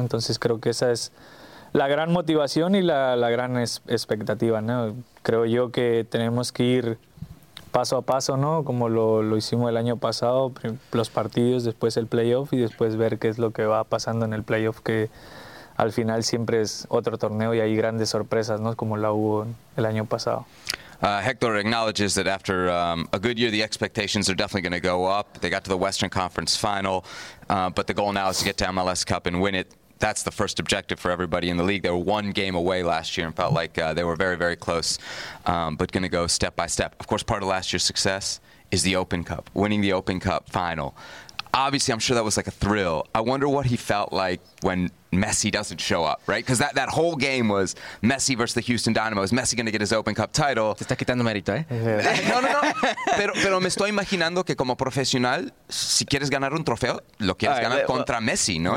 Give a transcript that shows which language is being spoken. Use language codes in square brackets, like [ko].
[es] Entonces creo que esa es la gran motivación y la gran expectativa, ¿no? Creo yo que tenemos que ir paso a paso, ¿no? Como lo hicimos el año pasado, los partidos, después el playoff y después ver qué es lo que va pasando en el playoff, que al final siempre es otro torneo y hay grandes sorpresas, ¿no? Como la hubo el año pasado. [en] Hector acknowledges that after a good year, the expectations are definitely going to go up. They got to the Western Conference Final, but the goal now is to get to MLS Cup and win it. That's the first objective for everybody in the league. They were one game away last year and felt like they were very, very close, but going to go step by step. Of course, part of last year's success is the Open Cup, winning the Open Cup final. Obviously, I'm sure that was like a thrill. I wonder what he felt like when Messi doesn't show up, right? Because that whole game was Messi versus the Houston Dynamo. Is Messi going to get his Open Cup title? [es] Te está quitando mérito, ¿eh? No. Pero me estoy imaginando que como profesional, si quieres ganar un trofeo, lo quieres right, ganar well, contra Messi, ¿no?